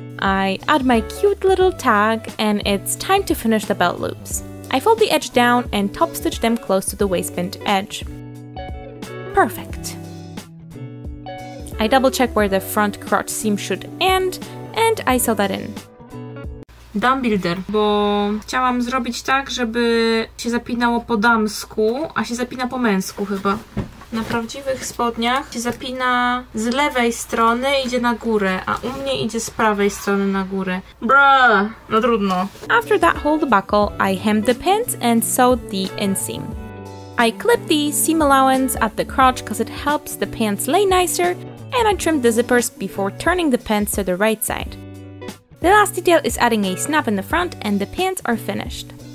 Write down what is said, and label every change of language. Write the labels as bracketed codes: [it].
[en] I add my cute little tag, and it's time to finish the belt loops. I fold the edge down and top stitch them close to the waistband edge. Perfect! I double check where the front crotch seam should end, and I sew that in. [pl] Dam builder, bo chciałam zrobić tak, żeby się zapinało po damsku, a się zapina po męsku chyba. Na prawdziwych spodniach się zapina z lewej strony, idzie na górę, a u mnie idzie z prawej strony na górę. Bruh, no trudno. [en] After that whole debacle, I hemmed the pants and sewed the inseam. I clipped the seam allowance at the crotch because it helps the pants lay nicer, and I trimmed the zippers before turning the pants to the right side. The last detail is adding a snap in the front and the pants are finished.